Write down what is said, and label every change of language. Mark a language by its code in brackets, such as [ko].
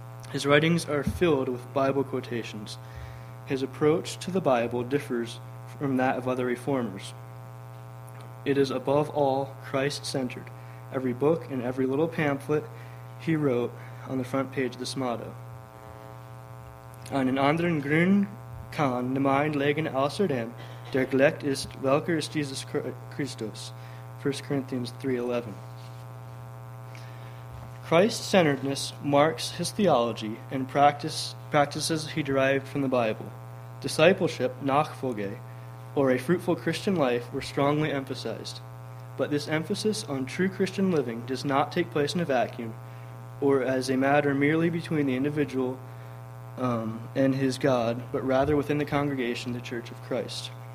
[en] His writings are filled with Bible quotations. His approach to the Bible differs from that of other reformers. It is above all Christ-centered. Every book and every little pamphlet he wrote on the front page of this motto. [de] Einen anderen Grund kann niemand legen außer dem, der gelegt ist, welcher ist Jesus Christus. [en] 1 Corinthians 3:11. Christ-centeredness marks his theology and practices he derived from the Bible. Discipleship, Nachfolge, or a fruitful Christian life were strongly emphasized. But this emphasis on true Christian living does not take place in a vacuum or as a matter merely between the individual and his God, but rather within the congregation, the Church of Christ.